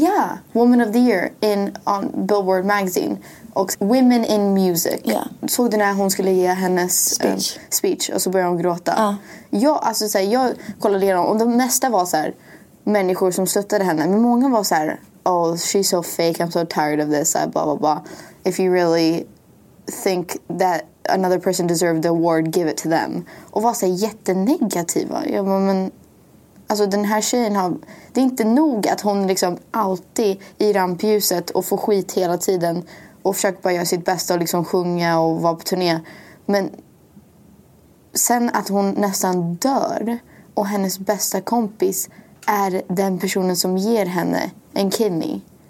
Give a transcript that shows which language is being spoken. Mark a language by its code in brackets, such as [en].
[en] Yeah, woman of the year on Billboard magazine. [sv] Och women in music. [en] Yeah. [sv] Såg du när hon skulle ge hennes speech och så började hon gråta. Jag, alltså, så här, jag kollade igenom och de mesta var så här, människor som stöttade henne. Men många var så här, [en] oh, she's so fake, I'm so tired of this, blah, blah, blah. If you really think that another person deserved the award, give it to them. [sv] Och var så jättenegativa. Jag bara, men alltså den här tjejen har, det är inte nog att hon liksom alltid i rampljuset och får skit hela tiden och försöker bara göra sitt bästa och liksom sjunga och vara på turné, men sen att hon nästan dör och hennes bästa kompis är den personen som ger henne en kidney.